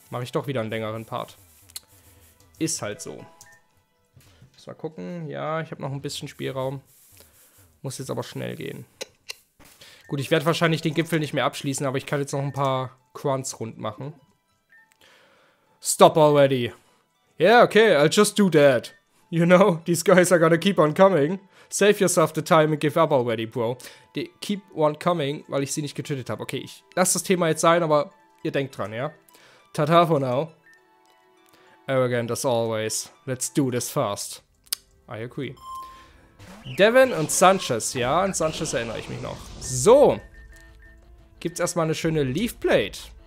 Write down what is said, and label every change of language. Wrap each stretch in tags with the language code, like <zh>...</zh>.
<de>Mache ich doch wieder einen längeren Part. Ist halt so. Muss mal gucken. Ja, ich habe noch ein bisschen Spielraum. Muss jetzt aber schnell gehen. Gut, ich werde wahrscheinlich den Gipfel nicht mehr abschließen, aber ich kann jetzt noch ein paar Quants rund machen.</de> <en>Stop already. Yeah, okay, I'll just do that. You know, these guys are gonna keep on coming. Save yourself the time and give up already, bro. They keep on coming,</en> <de>weil ich sie nicht getötet habe. Okay, ich lasse das Thema jetzt sein, aber ihr denkt dran, ja?</de> <en>Tata for now. Arrogant as always. Let's do this fast. I agree. Devin und Sanchez, ja?</en> <de>An Sanchez erinnere ich mich noch. So. Gibt's erstmal eine schöne Leaf Blade.</de>